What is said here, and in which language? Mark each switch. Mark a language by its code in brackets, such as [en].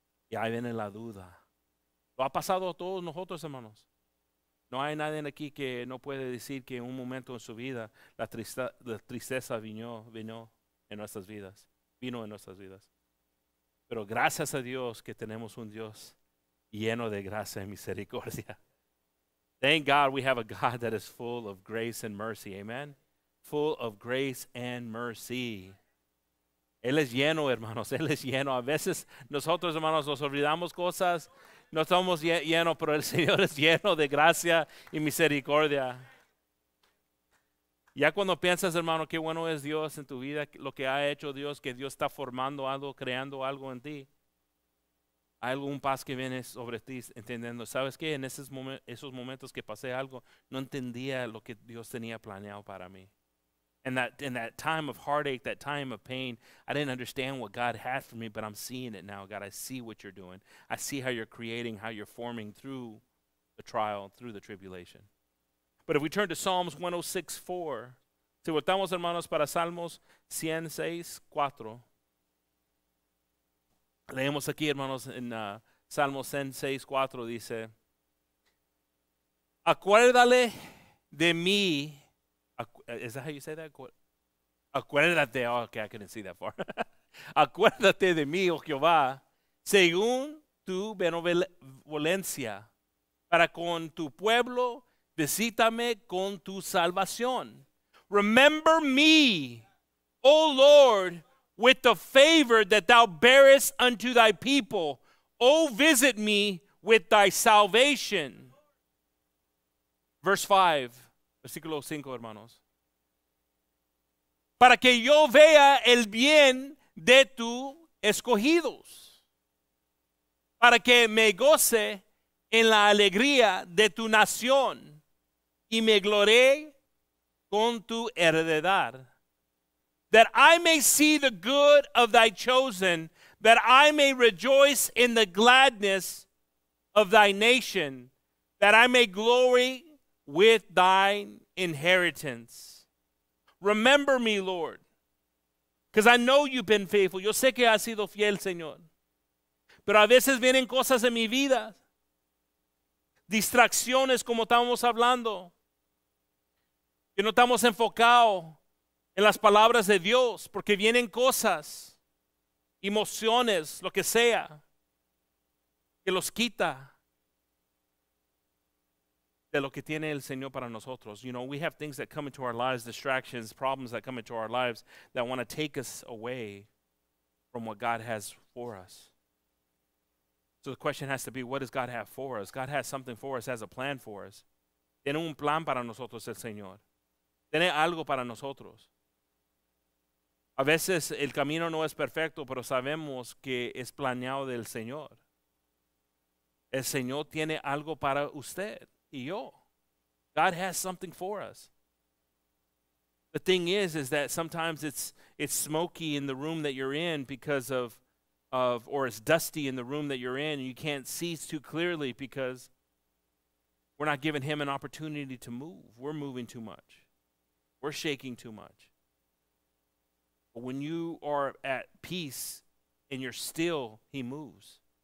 [es] Y ahí viene la duda. Lo ha pasado a todos nosotros, hermanos. No hay nadie aquí que no puede decir que en un momento en su vida la tristeza vino en nuestras vidas. Vino en nuestras vidas. Pero gracias a Dios que tenemos un Dios lleno de gracia y misericordia. [en] Thank God we have a God that is full of grace and mercy. Amen. Full of grace and mercy. [es] Él es lleno, hermanos. Él es lleno. A veces nosotros, hermanos, nos olvidamos cosas. No estamos llenos, pero el Señor es lleno de gracia y misericordia. Ya cuando piensas, hermano, qué bueno es Dios en tu vida, lo que ha hecho Dios, que Dios está formando algo, creando algo en ti. Hay algún paz que viene sobre ti, entendiendo. ¿Sabes qué? En esos momentos que pasé algo, no entendía lo que Dios tenía planeado para mí. [en] In that time of heartache, that time of pain, I didn't understand what God had for me, but I'm seeing it now, God. I see what you're doing. I see how you're creating, how you're forming through the trial, through the tribulation. But if we turn to Psalms 106:4, [es] si voltamos, hermanos, para Salmos 106:4, Leemos aquí, hermanos, en Salmo 106:4 dice: Acuérdale de mí. [en] Is that how you say that? [es] Acuérdate. [en] Oh, okay, I couldn't see that far. [es] Acuérdate de mí, oh Jehová, según tu benevolencia, para con tu pueblo, visítame con tu salvación. [en] Remember me, O Lord, with the favor that thou bearest unto thy people. O visit me with thy salvation. Verse 5, [es] versículo 5, hermanos. Para que yo vea el bien de tu escogidos. Para que me goce en la alegría de tu nación. Y me glorie con tu heredad. [en] That I may see the good of thy chosen, that I may rejoice in the gladness of thy nation, that I may glory with thine inheritance. Remember me, Lord, because I know you've been faithful. [es] Yo sé que has sido fiel, Señor. Pero a veces vienen cosas en mi vida. Distracciones, como estábamos hablando. Que no estamos enfocados en las palabras de Dios, porque vienen cosas, emociones, lo que sea, que los quita de lo que tiene el Señor para nosotros. [en] You know, we have things that come into our lives, distractions, problems that come into our lives that want to take us away from what God has for us. So the question has to be, what does God have for us? God has something for us, has a plan for us. [es] Tiene un plan para nosotros el Señor. Tiene algo para nosotros. A veces el camino no es perfecto, pero sabemos que es planeado del Señor. El Señor tiene algo para usted y yo. [en] God has something for us. The thing is that sometimes it's smoky in the room that you're in because of or it's dusty in the room that you're in. You can't see too clearly because we're not giving him an opportunity to move. We're moving too much. We're shaking too much. When you are at peace and you're still, he moves.